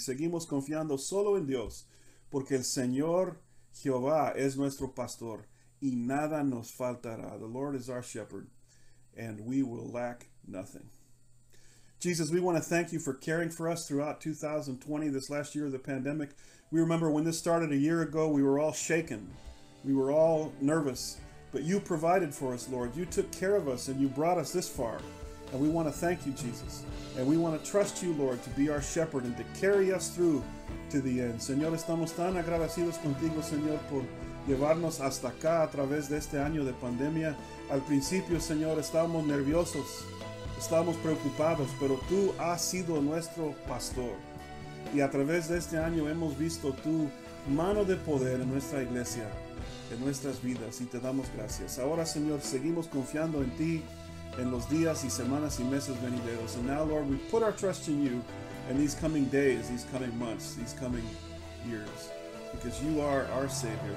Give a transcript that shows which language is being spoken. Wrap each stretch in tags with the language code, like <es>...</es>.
<es>Y seguimos confiando solo en Dios, porque el Señor Jehová es nuestro pastor, y nada nos faltará.</es> <en>The Lord is our shepherd, and we will lack nothing. Jesus, we want to thank you for caring for us throughout 2020, this last year of the pandemic. We remember when this started a year ago, we were all shaken. We were all nervous. But you provided for us, Lord. You took care of us, and you brought us this far. And we want to thank you, Jesus. And we want to trust you, Lord, to be our shepherd and to carry us through to the end.</en> <es>Señor, estamos tan agradecidos contigo, Señor, por llevarnos hasta acá a través de este año de pandemia. Al principio, Señor, estábamos nerviosos, estábamos preocupados, pero tú has sido nuestro pastor. Y a través de este año hemos visto tu mano de poder en nuestra iglesia, en nuestras vidas, y te damos gracias. Ahora, Señor, seguimos confiando en ti en los días y semanas y meses venideros.</es> <en>And now, Lord, we put our trust in you in these coming days, these coming months, these coming years, because you are our Savior.</en>